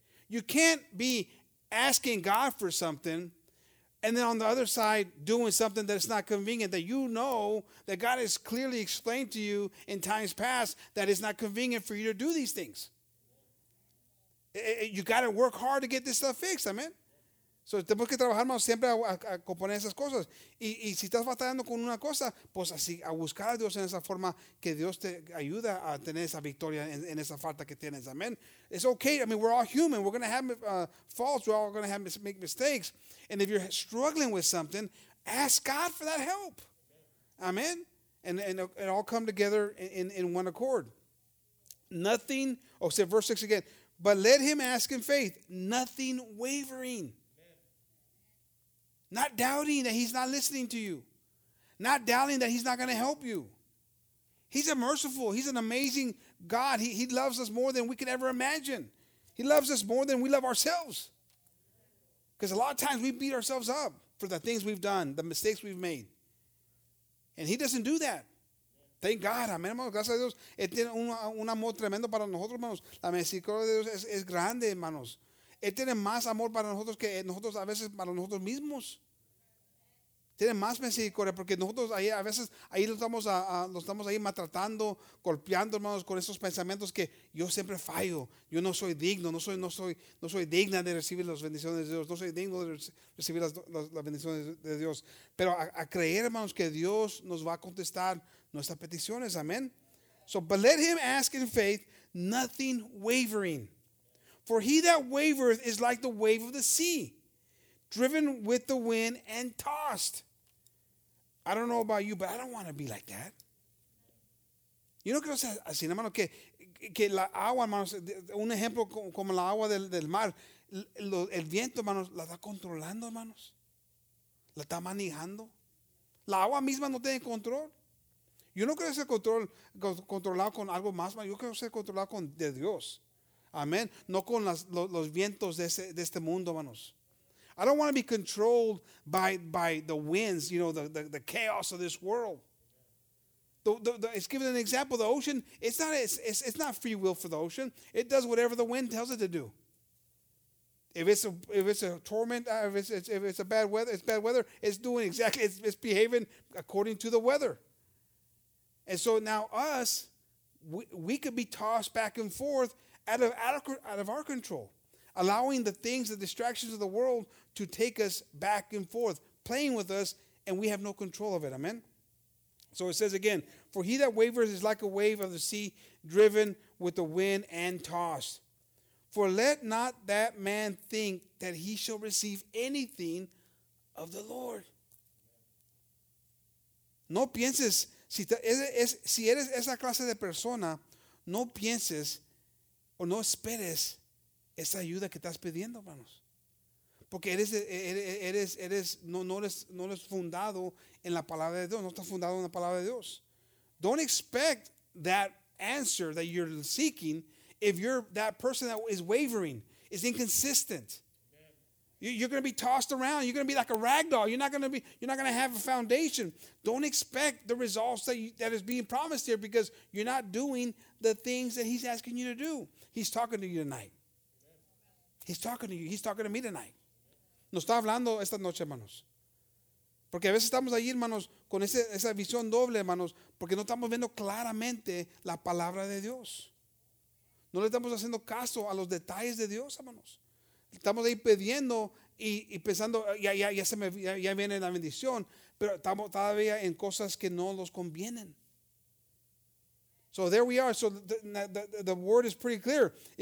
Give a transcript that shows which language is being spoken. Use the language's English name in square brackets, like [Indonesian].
[English] You can't be asking God for something and then on the other side doing something that's not convenient, that you know that God has clearly explained to you in times past that it's not convenient for you to do these things. You got to work hard to get this stuff fixed, amen? [Spanish] So tenemos que trabajar más siempre a componer esas cosas. Y si estás batallando con una cosa, pues así, a buscar a Dios en esa forma que Dios te ayuda a tener esa victoria en esa falta que tienes, amen? [English] It's okay. I mean, we're all human. We're going to have faults. We're all going to have make mistakes. And if you're struggling with something, ask God for that help. Amen? And it all come together in one accord. Nothing, say verse 6 again. But let him ask in faith, nothing wavering. Not doubting that he's not listening to you. Not doubting that he's not going to help you. He's a merciful, he's an amazing God. He loves us more than we could ever imagine. He loves us more than we love ourselves. Because a lot of times we beat ourselves up for the things we've done, the mistakes we've made. And he doesn't do that. Thank God, [Spanish] amén, hermanos. Gracias a Dios. Él tiene un amor tremendo para nosotros, hermanos. La misericordia de Dios es grande, hermanos. Él tiene más amor para nosotros que nosotros a veces para nosotros mismos. Tiene más misericordia porque nosotros ahí a veces ahí lo estamos ahí maltratando, golpeando, hermanos, con esos pensamientos que yo siempre fallo, yo no soy digno, no soy digna de recibir las bendiciones de Dios, no soy digno de recibir las bendiciones de Dios. Pero a creer, hermanos, que Dios nos va a contestar nuestras peticiones, amén. [English] So, but let him ask in faith, nothing wavering. For he that wavereth is like the wave of the sea, driven with the wind and tossed. I don't know about you, but I don't want to be like that. You know, [Spanish] que así, hermano, que la agua, hermano, un ejemplo como la agua del mar, el viento, hermano, la está controlando, hermanos. La está manejando. La agua misma no tiene control. Yo no quiero ser controlado con algo más, yo quiero ser controlado con de Dios. Amén. No con los vientos de este mundo, hermanos. [English] I don't want to be controlled by the winds, you know, the chaos of this world. It's given an example. The ocean, it's not free will for the ocean. It does whatever the wind tells it to do. If it's a torment, if it's a bad weather, it's bad weather, it's doing exactly, it's behaving according to the weather. And so now us, we could be tossed back and forth out of our control, allowing the things, the distractions of the world to take us back and forth, playing with us, and we have no control of it. Amen? So it says again, for he that wavers is like a wave of the sea driven with the wind and tossed. For let not that man think that he shall receive anything of the Lord. [Spanish] No pienses, si eres esa clase de persona, no pienses o no esperes esa ayuda que estás pidiendo, hermanos. Porque eres fundado en la palabra de Dios. No estás fundado en la palabra de Dios. [English] Don't expect that answer that you're seeking if you're that person that is wavering, is inconsistent. You're going to be tossed around. You're going to be like a rag doll. You're not going to have a foundation. Don't expect the results that is being promised here because you're not doing the things that he's asking you to do. He's talking to you tonight. He's talking to you. He's talking to me tonight. [Spanish] Nos está hablando esta noche, hermanos. Porque a veces estamos ahí, hermanos, con esa visión doble, hermanos, porque no estamos viendo claramente la palabra de Dios. No le estamos haciendo caso a los detalles de Dios, hermanos. Estamos ahí pidiendo y pensando, ya viene la bendición, pero estamos todavía en cosas que no nos convienen. [English] So there we are. So the word is pretty clear.